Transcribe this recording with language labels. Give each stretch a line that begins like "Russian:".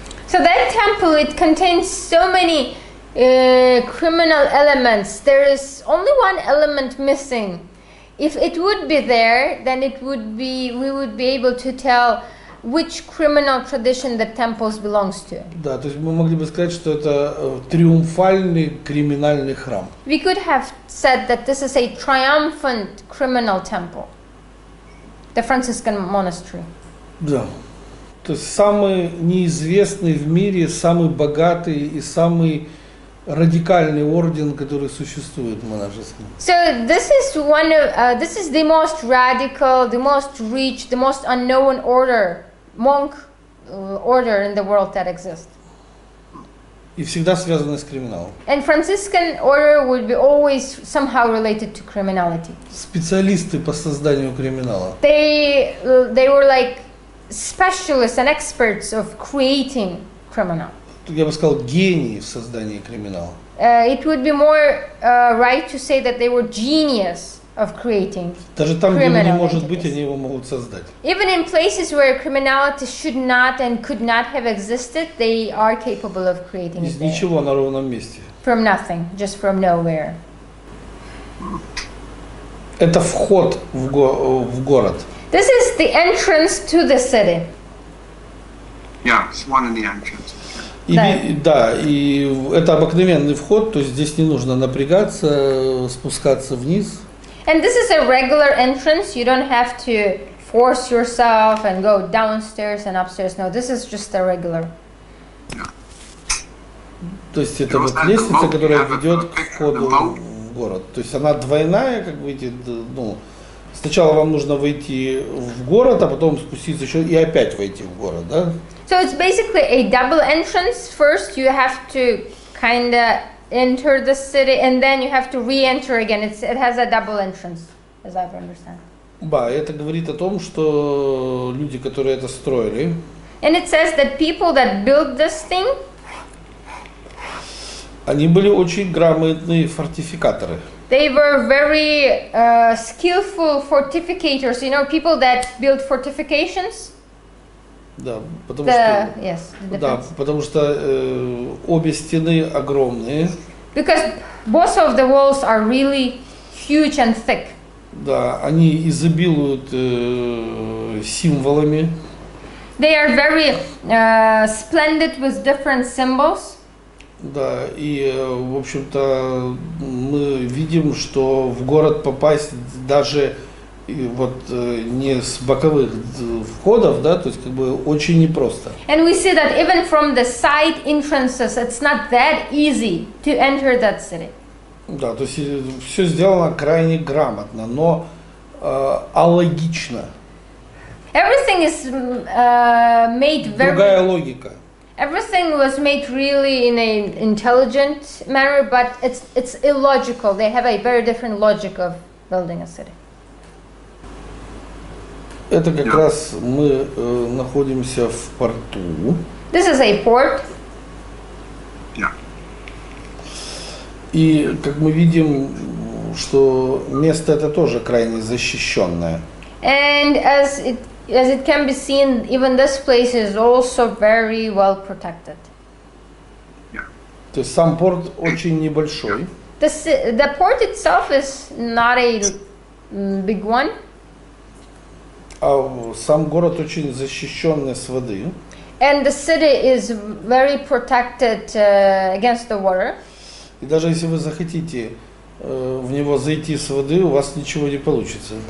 English: So that temple, it contains so many criminal elements. There is only one element missing. If it would be there, then it would be, we would be able to tell which criminal tradition the temples belongs to.
Russian: Да, то есть мы могли бы сказать, что это триумфальный криминальный храм.
English: We could have said that this is a triumphant criminal temple. The Franciscan monastery.
Russian: Да. То есть самый неизвестный в мире, самый богатый и самый радикальный орден, который существует в монашеском.
English: So this is one of this is the most radical, the most rich, the most unknown order. Monk order in the world that exists.
Russian: И всегда связаны с криминалом.
English: And Franciscan order would be always somehow related to criminality.
Russian: Специалисты по созданию криминала.
English: They were like specialists and experts of creating criminal.
Russian: Я бы сказал, гении в создании криминала.
English: It would be more right to say that they were genius of creating.
Russian: Даже там, где не может быть, они его могут создать.
English: Even in places where criminality should not and could not have existed, they are capable of creating.
Russian: Из ничего на ровном месте.
English: From nothing, just from nowhere.
Russian: Это вход в город.
English: This is the entrance to the city. Yes, one of the entrances.
Russian: И, да, и это обыкновенный вход, то есть здесь не нужно напрягаться, спускаться вниз.
English: And this is a regular entrance. You don't have to force yourself and go downstairs and upstairs. No, this is just a regular.
Russian: То есть это вот лестница, которая ведет к входу в город. То есть она двойная, как выйти, ну, сначала вам нужно выйти в город, а потом спуститься еще и опять войти в город, да?
English: So it's basically a double entrance. First you have to kind of enter the city, and then you have to re-enter again. It has a double entrance, as I understand.
Russian: Ба, это говорит о том, что люди, которые это строили.
English: And it says that people that built this thing.
Russian: Они были очень грамотные фортификаторы.
English: They were very skillful fortificators. You know, people that build fortifications.
Russian: Да, потому что
English: yes,
Russian: да, потому что обе стены огромные.
English: Because both of the walls are really huge and thick.
Russian: Да, они изобилуют символами.
English: They are very splendid with different symbols.
Russian: Да, и в общем-то мы видим, что в город попасть даже и вот не с боковых входов, да, то есть как бы очень непросто.
English: And we see that even from the side entrances, it's not that easy to enter that city.
Russian: Да, то есть все сделано крайне грамотно, но алогично.
English: Everything is made very.
Russian: Другая логика.
English: Everything was made really in an intelligent manner, but it's illogical. They have a very different logic of building a city.
Russian: Это как раз мы находимся в порту.
English: This is a port. Yeah.
Russian: И как мы видим, что место это тоже крайне защищенное.
English: And as it can be seen, even this place is also very well protected. Yeah.
Russian: То есть сам порт очень небольшой.
English: The port itself is not a big one.
Russian: А сам город очень защищенный с воды.
English: And the city is very protected against the water.
Russian: И даже если вы захотите в него зайти с воды, у вас ничего не получится.